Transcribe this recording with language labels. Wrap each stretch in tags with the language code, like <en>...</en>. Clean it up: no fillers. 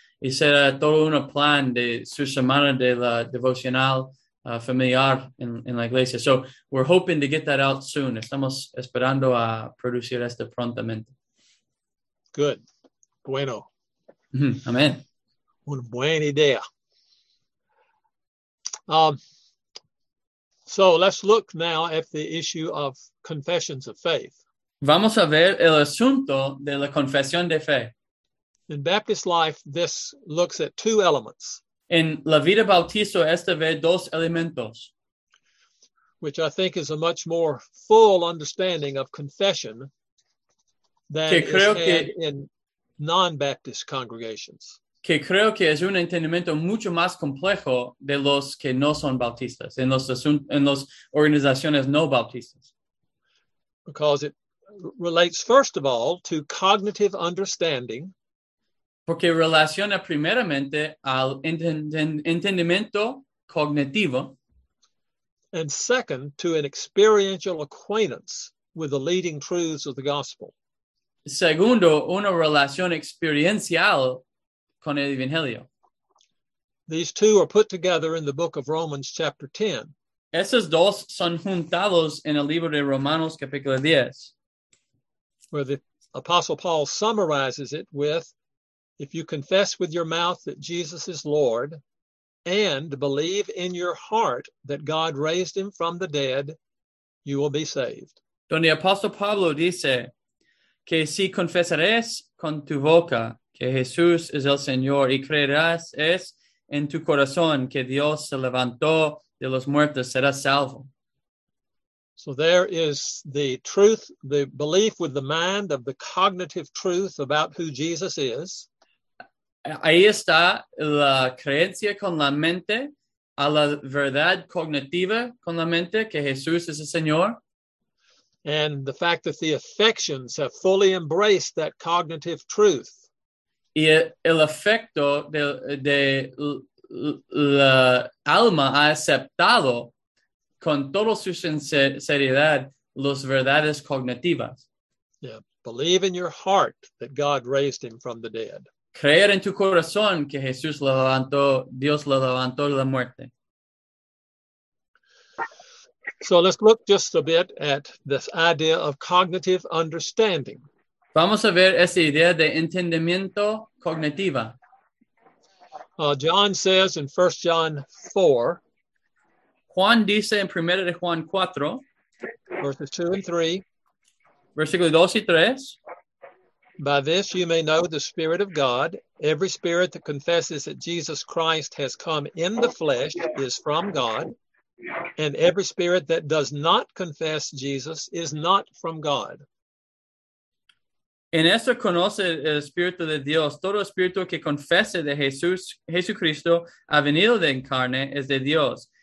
<es>Y será todo un plan de su semana de la devocional familiar en la iglesia.</es> <en>So we're hoping to get that out soon.</en> <es>Estamos esperando a producir esto prontamente.</es> <en>Good. Bueno. Amen.</en> <es>Una buena idea.</es> <en>So let's look now at the issue of confessions of faith.</en> <es>Vamos a ver el asunto de la confesión de fe.</es> <en>In Baptist life, this looks at two elements.</en> <es>En la vida bautista, esta ve dos elementos.</es> <en>Which I think is a much more full understanding of confession than is had in non-Baptist congregations.</en> <es>Que creo que es un entendimiento mucho más complejo de los que no son bautistas, en los organizaciones no bautistas.</es> <en>Because it relates, first of all, to cognitive understanding.</en> <es>Porque relaciona primeramente al entendimiento cognitivo.</es> <en>And second, to an experiential acquaintance with the leading truths of the gospel.</en> <es>Segundo, una relación experiencial con el evangelio.</es> <en>These two are put together in the book of Romans chapter 10.</en> <es>Esos dos son juntados en el libro de Romanos capítulo 10.</es> <en>Where the Apostle Paul summarizes it with, if you confess with your mouth that Jesus is Lord and believe in your heart that God raised him from the dead, you will be saved.</en> <es>Donde Apostle Pablo dice que si confesarás con tu boca que Jesús es el Señor y creerás es en tu corazón que Dios se levantó de los muertos, serás salvo.</es> <en>So there is the truth, the belief with the mind of the cognitive truth about who Jesus is.</en> <es>Ahí está la creencia con la mente a la verdad cognitiva con la mente que Jesús es el Señor.</es> <en>And the fact that the affections have fully embraced that cognitive truth.</en> <es>Y el afecto de la alma ha aceptado con toda su sinceridad las verdades cognitivas.</es> <en>Yeah. Believe in your heart that God raised him from the dead.</en> <es>Creer en tu corazón que Jesús lo levantó, Dios lo levantó de la muerte.</es> <en>So let's look just a bit at this idea of cognitive understanding.</en> <es>Vamos a ver esa idea de entendimiento cognitiva.</es> <en>John says in 1 John 4.</en> <es>Juan dice en 1 de Juan 4.</es> <en>Verses 2 and 3.</en> <es>Versículos 2 y 3.</es> <en>By this you may know the Spirit of God. Every spirit that confesses that Jesus Christ has come in the flesh is from God. And every spirit that does not confess Jesus is not from God.</en> <es>En esto conoce el Espíritu de Dios. Todo espíritu que confese de Jesús, Jesucristo, ha venido de carne, es de Dios.</es>